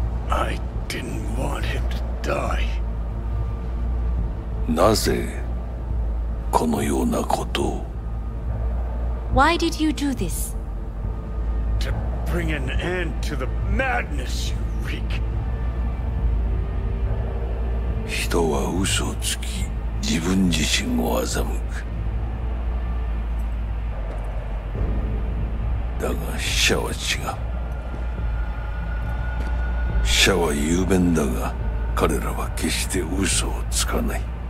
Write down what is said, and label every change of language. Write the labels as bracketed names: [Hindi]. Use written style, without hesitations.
[English] I didn't want him to die. [Japanese] なぜこのようなことを? [English] Why did you do this? To bring an end to the madness you... [Japanese] 人は嘘をつき自分自身を欺く。だが死者は違う。死者は雄弁だが彼らは決して嘘をつかない。